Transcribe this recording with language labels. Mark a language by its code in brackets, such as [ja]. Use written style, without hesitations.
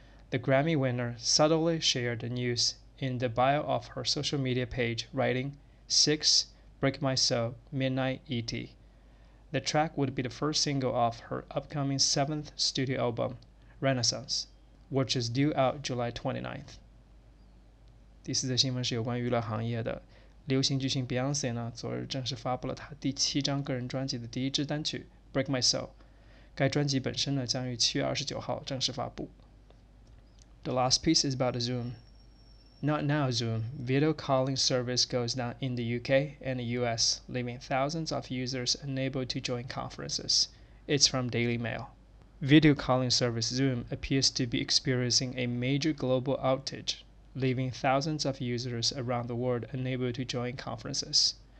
[en] The Grammy winner subtly shared the news in the bio of her social media page, writing, "6,Break My Soul, Midnight ET." The track would be the first single off her upcoming 7th studio album, Renaissance, which is due out July 29th. [zh] 第四则新闻是有关娱乐行业的。流行巨星 Beyonce 呢，昨日正式发布了她第七张个人专辑的第一支单曲《Break My Soul》。该专辑本身呢，将于7月29号正式发布。 [en] The last piece is about Zoom. Not now, Zoom. Video calling service goes down in the UK and the US, leaving thousands of users unable to join conferences. It's from Daily Mail. Video calling service Zoom appears to be experiencing a major global outage, leaving thousands of users around the world unable to join conferences.